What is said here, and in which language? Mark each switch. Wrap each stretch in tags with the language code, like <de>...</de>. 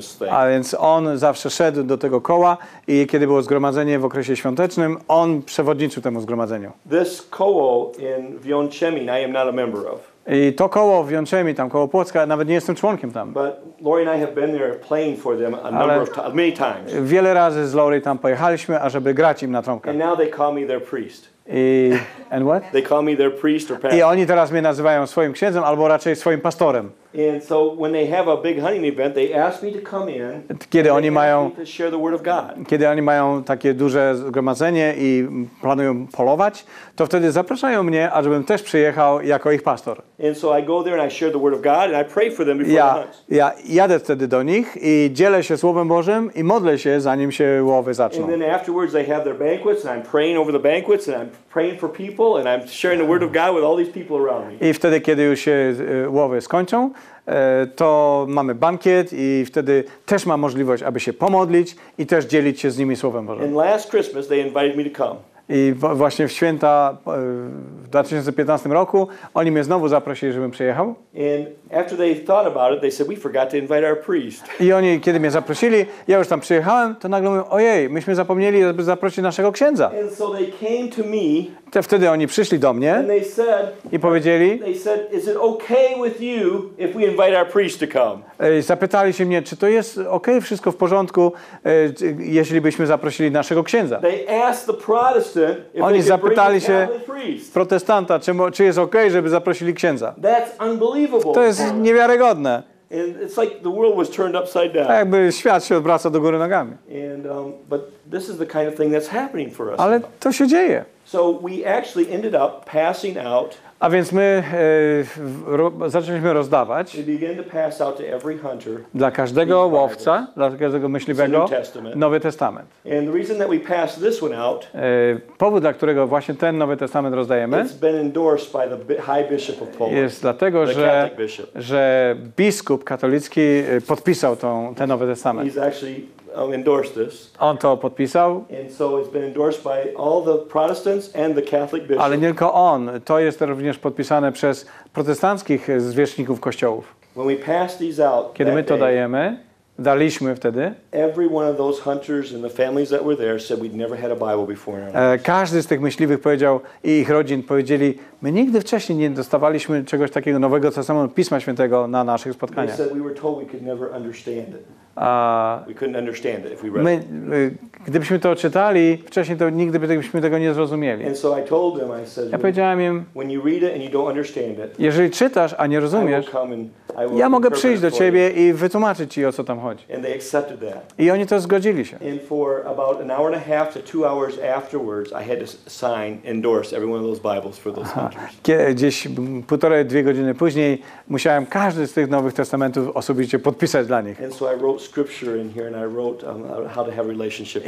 <pl>A więc on zawsze szedł do tego koła i kiedy było zgromadzenie w okresie świątecznym, on przewodniczył temu zgromadzeniu.</pl> <en>This koło in Wionczemin, I am not a member of.</en> <pl>I to koło w Yongchemi, tam koło Płocka, nawet nie jestem członkiem tam.</pl> <en>But Lori and I have been there playing for them a number of many times.</en> <pl>Wiele razy z Lori tam pojechaliśmy, ażeby grać im na trąbkę.</pl> <en>And now they call me their priest. And what? They call me their priest or pastor.</en> <pl>I oni teraz mnie nazywają swoim księdzem albo raczej swoim pastorem.</pl> <en>And so when they have a big hunting event, they ask me to come in.</en> <pl>Kiedy oni mają</pl> <en>share the word of God.</en> <pl>Kiedy oni mają takie duże zgromadzenie i planują polować, to wtedy zapraszają mnie, ażebym też przyjechał jako ich pastor.</pl> <en>And so I go there and I share the word of God and I pray for them before the hunt.</en> <pl>Ja jadę wtedy do nich i dzielę się Słowem Bożym i modlę się zanim się łowy zaczną.</pl> <en>And then afterwards they have their banquets and I'm praying over the banquets and I'm praying for people and I'm sharing the word of God with all these people around me.</en> <pl>I wtedy, kiedy już się łowy skończą, to mamy bankiet i wtedy też mam możliwość, aby się pomodlić i też dzielić się z nimi Słowem Bożym.</pl> <en>And last Christmas they invited me to come.</en> <pl>I właśnie w święta w 2015 roku oni mnie znowu zaprosili, żebym przyjechał.</pl> <en>And after they thought about it, they said, we forgot to invite our priest.</en> <pl>I oni, kiedy mnie zaprosili, ja już tam przyjechałem, to nagle mówią, ojej, myśmy zapomnieli, żeby zaprosić naszego księdza.</pl> <en>And so they came to me.</en> <pl>To wtedy oni przyszli do mnie</pl> <en>and they said,</en> <pl>i powiedzieli,</pl> <en>they said, is it okay with you if we invite our priest to come?</en> <pl>I zapytali się mnie, czy to jest okej, okay, wszystko w porządku, jeśli byśmy zaprosili naszego księdza.</pl> <en>They asked the Protestant if</en> <pl>oni</pl> <en>they</en> <pl>zapytali</pl> <en>bring</en> <pl>się</pl> <en>the Catholic priest.</en> <pl>Protestanta, czy jest okej, okay, żeby zaprosili księdza.</pl> <en>That's unbelievable.</en> <pl>To jest niewiarygodne.</pl> <en>And it's like the world was turned upside down.</en> <pl>Jakby świat się odwraca do góry nogami.</pl> <en>And but this is the kind of thing that's happening for us.</en> <pl>Ale to się dzieje.</pl> <en>So we actually ended up passing out.</en> <pl>A więc my zaczęliśmy rozdawać.</pl> <en>We began to pass out to every hunter.</en> <pl>Dla każdego łowca, dla każdego myśliwego.</pl> <en>New Testament.</en> <pl>Nowy Testament.</pl> <en>And the reason that we passed this one out.</en> <pl>Powód, dla którego właśnie ten Nowy Testament rozdajemy.</pl> <en>It's been endorsed by the High Bishop of Poland.</en> <pl>Jest dlatego, że biskup katolicki podpisał ten Nowy Testament.</pl> <en>He's actually endorsed this.</en> <pl>On to podpisał.</pl> <en>And so it's been endorsed by all the Protestants and the Catholic bishops.</en> <pl>Ale nie tylko on, to jest również podpisane przez protestanckich zwierzchników kościołów.</pl> <en>When we pass these out,</en> <pl>kiedy my to dajemy, daliśmy wtedy.</pl> <en>Every one of those hunters and the families that were there said we'd never had a Bible before.</en> <pl>Każdy z tych myśliwych powiedział i ich rodzin powiedzieli, my nigdy wcześniej nie dostawaliśmy czegoś takiego nowego, co samo Pisma Świętego na naszych spotkaniach.</pl> <en>They said we were told we could never understand it. We couldn't understand it if we read.</en> <pl>Gdybyśmy to czytali wcześniej, to nigdy byśmy tego nie zrozumieli.</pl> <en>And so I told them, I said,</en> <pl>ja powiedziałem im,</pl> <en>when you read it and you don't understand it,</en> <pl>jeżeli czytasz, a nie rozumiesz, ja mogę przyjść do ciebie i wytłumaczyć ci, o co tam chodzi.</pl> <en>And they accepted that.</en> <pl>I oni to zgodzili się.</pl> <en>And for about an hour and a half to two hours afterwards, I had to sign, endorse every one of those Bibles for those hunters.</en> <pl>Gdzieś półtorej, dwie godziny później musiałem każdy z tych Nowych Testamentów osobiście podpisać dla nich.</pl> <en>And so I wrote scripture in here and I wrote how to have relationship.</en>